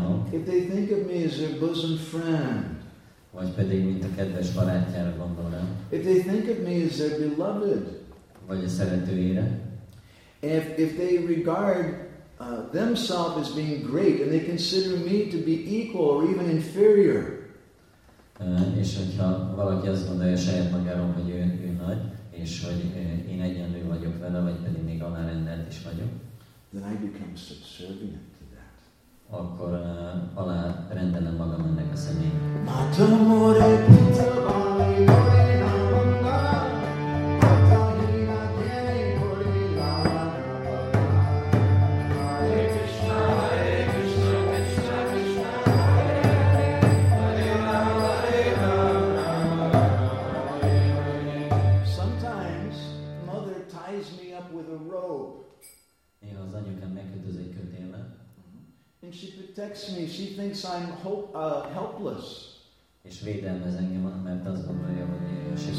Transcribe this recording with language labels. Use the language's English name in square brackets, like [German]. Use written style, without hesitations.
[English] If they think of me as their bosom friend, [Hungarian] vagy pedig mint a kedves barátjára gondolnám. [English] If they think of me as their beloved, [Hungarian] vagy a szeretőjére. [English] If they regard themselves as being great and they consider me to be equal or even inferior, [Hungarian] és hogyha valaki azt gondolja saját magáról, hogy ő nagy, és hogy én egyenlő vagyok vele, vagy pedig még alárendelt is vagyok, [English] then I become subservient. [Hungarian] Akkor alá rendelem magam ennek a személynek. [English] Sometimes mother ties me up with a rope. [Hungarian] Néha az anyukám megkötözik [English] me. She thinks I'm helpless. [Hungarian] És védelmez engem, mert azt gondolja, hogy én